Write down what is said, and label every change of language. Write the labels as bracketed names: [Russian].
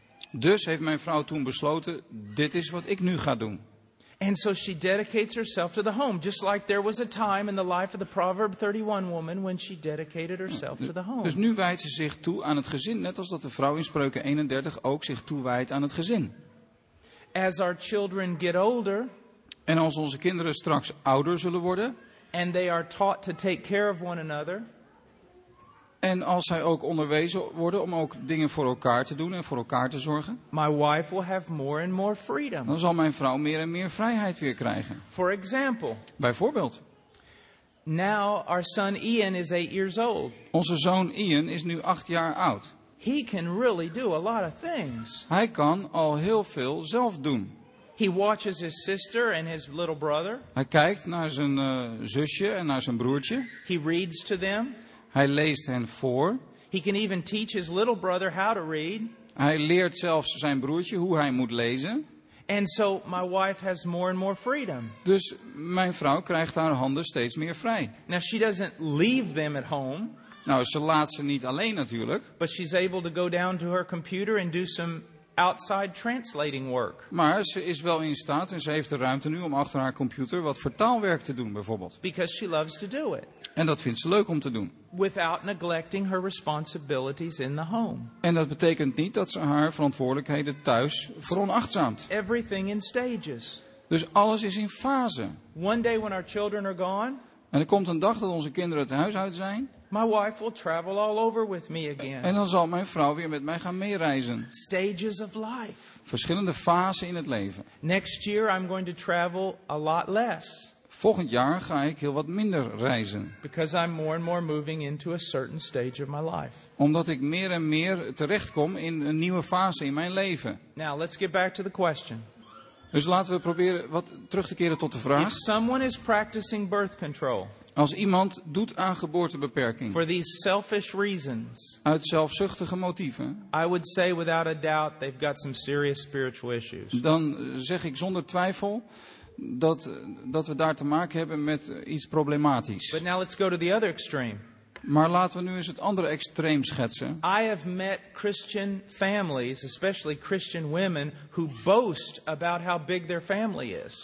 [Dutch] Dus heeft mijn vrouw toen besloten, dit is wat ik nu ga doen. [English] And so she dedicates herself to the home, just like there was a time in the life of the Proverb 31 woman when she dedicated herself to the home. [Dutch] Dus nu wijdt ze zich toe aan het gezin, net als dat de vrouw in Spreuken 31 ook zich toewijdt aan het gezin. [English] As our children get older, [Dutch] en als onze kinderen straks ouder zullen worden, [English] and they are taught to take care of one another, [Dutch] en als zij ook onderwezen worden om ook dingen voor elkaar te doen en voor elkaar te zorgen. [English] My wife will have more and more freedom. [Dutch] Dan zal mijn vrouw meer en meer vrijheid weer krijgen. [English] For example, [Dutch] bijvoorbeeld. [English] Now our son Ian is 8 years old. [Dutch] Onze zoon Ian is nu 8 jaar oud. [English] He can really do a lot of things. [Dutch] Hij kan al heel veel zelf doen. [English] He watches his sister and his little brother. [Dutch] Hij kijkt naar zijn zusje en naar zijn broertje. [English] He reads to them. [Dutch] Hij leest hen voor. [English] He can even teach his little brother how to read. [Dutch] Hij leert zelfs zijn broertje hoe hij moet lezen. [English] And so my wife has more and more freedom. [Dutch] Dus mijn vrouw krijgt haar handen steeds meer vrij. [English] Now she doesn't leave them at home. [Dutch] Nou, ze laat ze niet alleen natuurlijk. [English] But she's able to go down to her computer and do some outside translating work. [Dutch] Maar ze is wel in staat en ze heeft de ruimte nu om achter haar computer wat vertaalwerk te doen bijvoorbeeld. [English] Because she loves to do it. [Dutch] En dat vindt ze leuk om te doen. [English] Without neglecting her responsibilities in the home. [Dutch] En dat betekent niet dat ze haar verantwoordelijkheden thuis veronachtzaamt. [English] Everything in stages. [Dutch] Dus alles is in fase. [English] One day when our children are gone. [Dutch] En er komt een dag dat onze kinderen het huis uit zijn. [English] My wife will travel all over with me again. [Dutch] En dan zal mijn vrouw weer met mij gaan meereizen. [English] Stages of life. [Dutch] Verschillende fasen in het leven. [English] Next year I'm going to travel a lot less. [Dutch] Volgend jaar ga ik heel wat minder reizen. [English] Because I'm more and more moving into a certain stage of my life. [Dutch] Omdat ik meer en meer terechtkom in een nieuwe fase in mijn leven. [English] Now let's get back to the question. [Dutch] Dus laten we proberen wat terug te keren tot de vraag. [English] If someone is practicing birth control. [Dutch] Als iemand doet aan geboortebeperking. [English] For these selfish reasons. [Dutch] Uit zelfzuchtige motieven. [English] I would say without a doubt they've got some serious spiritual issues. [Dutch] Dan zeg ik zonder twijfel dat we daar te maken hebben met iets problematisch. [English] But now let's go to the other extreme. [Dutch] Maar laten we nu eens het andere extreem schetsen. [English] I have met Christian families, especially Christian women, who boast about how big their family is.